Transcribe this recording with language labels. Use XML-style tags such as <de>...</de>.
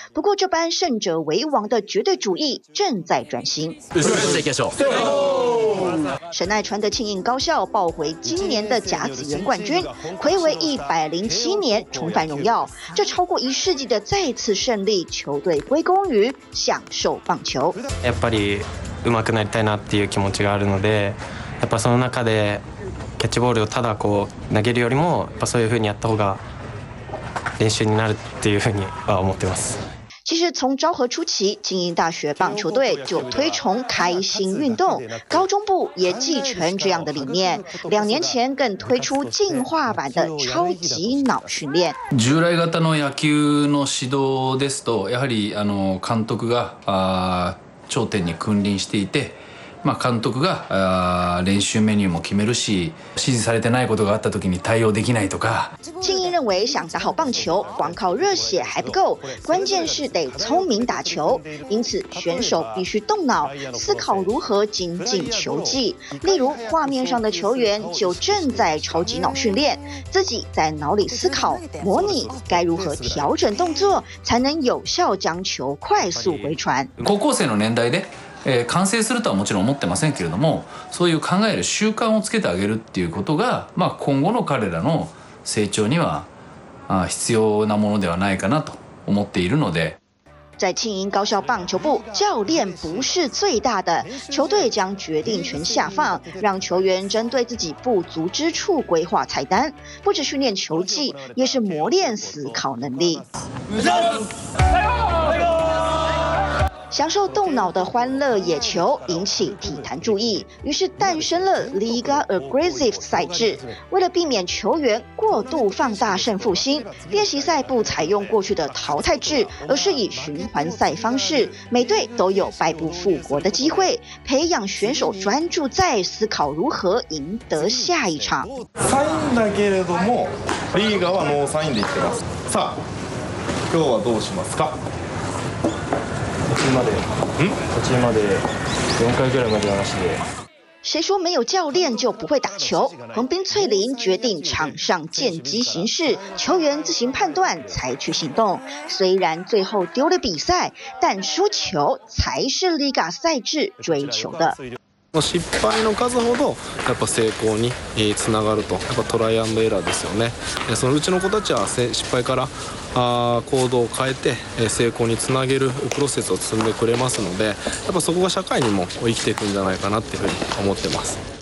<zh>不过，这般胜者为王的绝对主义正在转型。神奈川的庆应高校抱回今年的甲子园冠军，暌违107年重返荣耀，这超过一世纪的再次胜利，球队归功于享受棒球。</zh> <ja>やっぱり上手くなりたいなっていう気持ちがあるので、やっぱその中でキャッチボールをただこう投げるよりも、やっぱそういうふうにやった方が練習になるっていうふうには思ってます。</ja> <zh>其实从昭和初期，庆应大学棒球队就推崇开心运动，高中部也继承这样的理念。 2年前更推出进化版的超级脑训练。</zh> <ja>従来型の野球の指導ですと、やはり監督が頂点に君臨していて、監督が練習メニューも決めるし、指示されてないことがあった時に対応できないとか。</ja> <zh>庆应认为想打好棒球光靠热血还不够，关键是得聪明打球，因此选手必须动脑思考如何精进球技。例如画面上的球员就正在超级脑训练，自己在脑里思考模拟该如何调整动作才能有效将球快速回传。</zh> <ja>高校生の年代で完成するとはもちろん思ってませんけれども、そういう考える習慣をつけてあげるっていうことが、今後の彼らの成長には必要なものではないかなと思っているので。</ja> <zh>在庆应高校棒球部，教练不是最大的，球队将决定权下放，让球员针对自己不足之处规划菜单，不只训练球技，也是磨练思考能力。享受动脑的欢乐野球引起体坛注意，于是诞生了 Liga Aggressive 赛制。为了避免球员过度放大胜负心，练习赛不采用过去的淘汰制，而是以循环赛方式，每队都有败部复活的机会，培养选手专注在思考如何赢得下一场。</zh> <ja>サインだけれども、リーガはノーサインでいってます。さあ、今日はどうしますか？途中まで4回ぐらいまでの話で。</ja> <zh>谁说没有教练就不会打球？横滨翠林决定场上见机行事，球员自行判断，采取行动。虽然最后丢了比赛，但输球才是 Liga 赛制追求的。</zh> <ja>失敗の数ほどやっぱ成功につながると、やっぱトライアンドエラーですよね。そのうちの子たちは失敗から行動を変えて成功につなげるプロセスを積んでくれますので、やっぱそこが社会にも生きていくんじゃないかなっていうふうに思ってます。</ja>